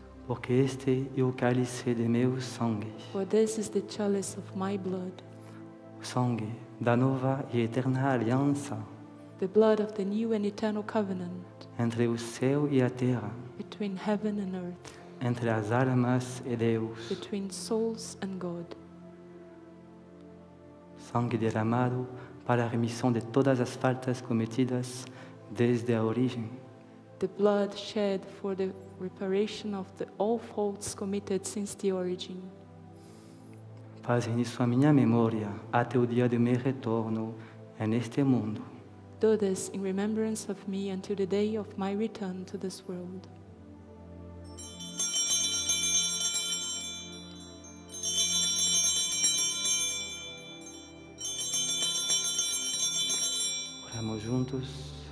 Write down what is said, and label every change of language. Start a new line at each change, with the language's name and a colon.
Portuguese: Porque este é o cálice de meu sangue.
English: For this is the chalice of my blood.
Portuguese: O sangue da nova e eterna aliança.
English: The blood of the new and eternal covenant.
Portuguese: Entre o céu e a terra.
English: Between heaven and earth.
Portuguese: Entre as almas e Deus.
English: Between souls and God.
Portuguese: Sangue derramado para a remissão de todas as faltas cometidas desde a origem.
English: The blood shed for the reparation of the all faults committed since the origin.
Portuguese: Faz nisso a minha memória até o dia de meu retorno neste mundo.
English: Do this in remembrance of me until the day of my return to this world.
Portuguese: Oramos juntos.